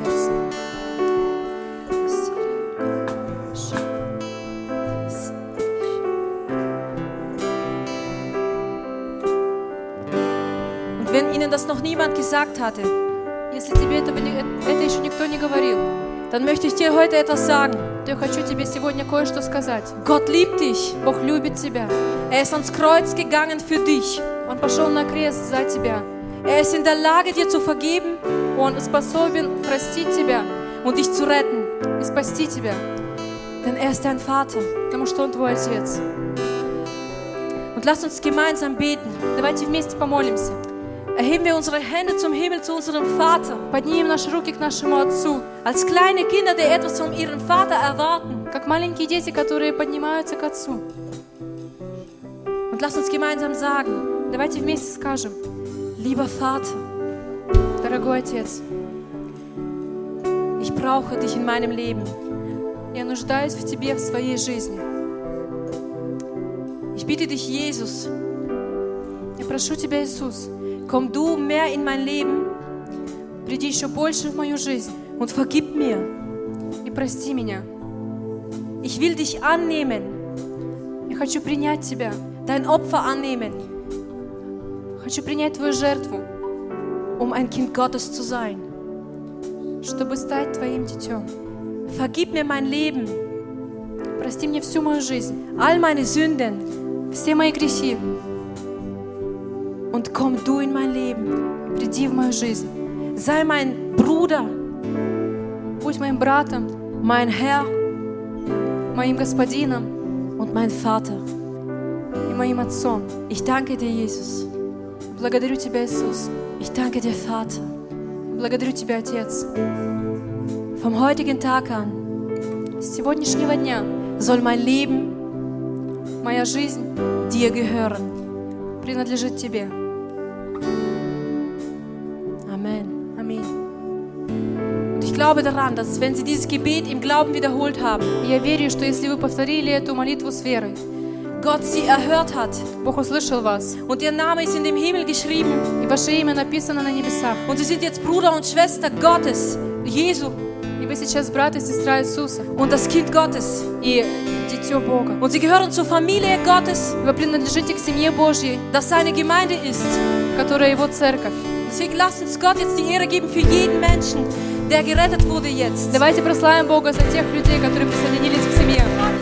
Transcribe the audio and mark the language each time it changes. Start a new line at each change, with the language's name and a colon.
German: Und wenn ihnen das noch niemand gesagt hatte,
Russian: если тебе это еще никто не говорил,
German: dann möchte ich dir heute etwas sagen.
Russian: То я хочу тебе сегодня кое-что сказать.
German: Gott liebt dich.
Russian: Бог любит тебя.
German: Er ist ans Kreuz gegangen für dich.
Russian: Он пошел на крест за тебя.
German: Er ist in der Lage, dir zu vergeben.
Russian: Он способен простить тебя.
German: Und dich zu retten.
Russian: И спасти тебя.
German: Denn er ist dein Vater.
Russian: Потому что он твой отец.
German: Und lass uns gemeinsam beten.
Russian: Давайте вместе помолимся.
German: Erheben wir unsere Hände zum Himmel zu unserem Vater.
Russian: Поднимем наши руки к нашему отцу.
German: Als kleine Kinder, die etwas von ihrem Vater erwarten.
Russian: Как маленькие дети, которые поднимаются к отцу.
German: Und lass uns gemeinsam sagen.
Russian: Давайте вместе скажем.
German: Lieber Vater,
Russian: дорогой отец,
German: ich brauche dich in meinem Leben.
Russian: Я нуждаюсь в тебе в своей жизни.
German: Ich bitte dich, Jesus.
Russian: Я прошу тебя, Иисус.
German: Komm du mehr in mein Leben.
Russian: Приди еще больше в мою жизнь.
German: Und vergib mir.
Russian: И прости меня.
German: Ich will dich annehmen.
Russian: Я хочу принять тебя.
German: Dein Opfer annehmen.
Russian: Хочу принять твою жертву,
German: um ein Kind Gottes zu sein.
Russian: Чтобы стать твоим дитем.
German: Vergib mir mein Leben.
Russian: Прости мне всю мою жизнь.
German: All meine Sünden.
Russian: Все мои грехи.
German: Und komm du in mein Leben.
Russian: Приди в мою жизнь.
German: Sei mein Bruder.
Russian: Будь моим братом.
German: Mein Herr.
Russian: Моим господином.
German: Und mein Vater.
Russian: И моим отцом.
German: Ich danke dir, Jesus.
Russian: Благодарю тебя, Иисус.
German: Ich danke dir, Vater.
Russian: Благодарю тебя, Отец.
German: Vom heutigen Tag an,
Russian: с сегодняшнего дня,
German: soll mein Leben,
Russian: моя жизнь,
German: dir gehören,
Russian: принадлежит тебе.
German: Amen.
Russian: Amen.
German: Und ich glaube daran, dass wenn Sie dieses Gebet im Glauben wiederholt haben,
Russian: я верю, что если вы повторили эту молитву с верой,
German: Gott sie erhört hat.
Russian: Бог услышал вас.
German: Und ihr Name ist in dem Himmel geschrieben.
Russian: И ваше имя написано на небесах.
German: Und sie sind jetzt Bruder und Schwester Gottes, Jesu.
Russian: И вы сейчас брат и сестра Иисуса.
German: Und das Kind Gottes.
Russian: И дитё Бога.
German: Und sie gehören zur Familie Gottes.
Russian: Вы принадлежите к семье Божьей.
German: Das seine Gemeinde ist.
Russian: Которая его церковь.
German: Deswegen lasst uns Gott jetzt die Ehre geben für jeden Menschen, der gerettet wurde jetzt.
Russian: Давайте прославим Бога за тех людей, которые присоединились к семье.